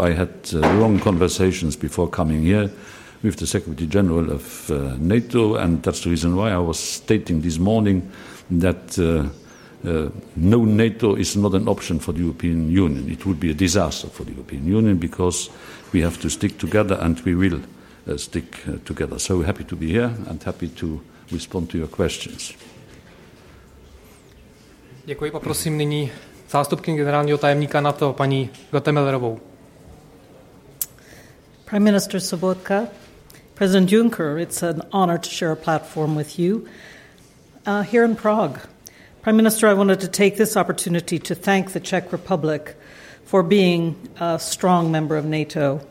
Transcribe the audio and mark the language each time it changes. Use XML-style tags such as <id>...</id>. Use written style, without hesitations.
<en>I had long conversations before coming here with the Secretary General of NATO, and that's the reason why I was stating this morning that no, NATO is not an option for the European Union. It would be a disaster for the European Union, because we have to stick together, and we will stick together. So happy to be here and happy to respond to your questions.</en> <cs>Děkuji, poprosím nyní zástupkyni generálního tajemníka NATO, paní Gotemelerovou.</cs> <en>Prime Minister Sobotka, President Juncker, it's an honor to share a platform with you here in Prague. Prime Minister, I wanted to take this opportunity to thank the Czech Republic for being a strong member of NATO.</en>